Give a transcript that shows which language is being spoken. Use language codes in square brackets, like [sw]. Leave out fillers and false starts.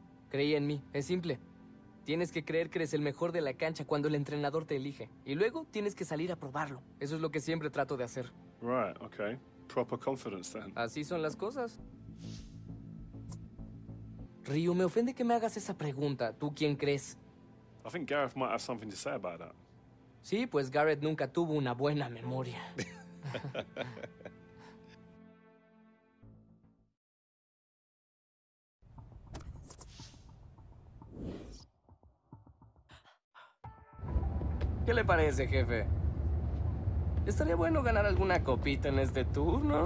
[es] Creí en mí, es simple. Tienes que creer que eres el mejor de la cancha cuando el entrenador te elige. Y luego tienes que salir a probarlo. Eso es lo que siempre trato de hacer. [en] Right, okay. Proper confidence then. [es] Así son las cosas. Ryu, me ofende que me hagas esa pregunta. ¿Tú quién crees? [en] I think Gareth might have something to say about that. [es] Sí, pues Gareth nunca tuvo una buena memoria. ¿Qué le parece, jefe? Estaría bueno ganar alguna copita en este turno.